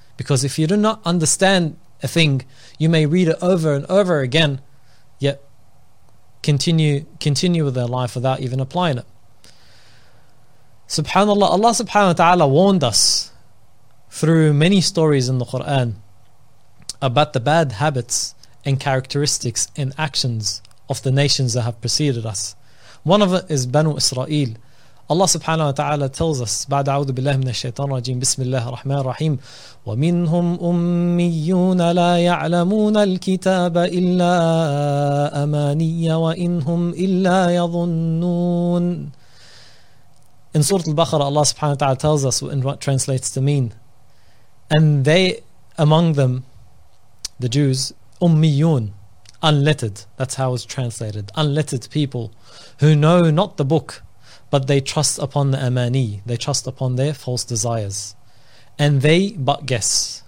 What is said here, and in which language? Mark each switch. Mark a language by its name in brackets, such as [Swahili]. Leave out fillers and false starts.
[English] Because if you do not understand a thing, you may read it over and over again, yet continue with their life without even applying it. SubhanAllah, Allah subhanahu wa ta'ala warned us through many stories in the Quran about the bad habits and characteristics and actions of the nations that have preceded us. One of it is Banu Israel. Allah subhanahu wa ta'ala tells us, [Arabic] بعد أعوذ بالله من الشيطان الرجيم بسم الله الرحمن الرحيم ومنهم أميون لا يعلمون الكتاب إلا أماني وإنهم إلا يظنون. [English] In Surah Al-Baqarah, Allah subhanahu wa ta'ala tells us in what translates to mean. And they, among them, the Jews, أميون, unlettered, that's how it's translated, unlettered people who know not the book, but they trust upon the amani, they trust upon their false desires, and they but guess.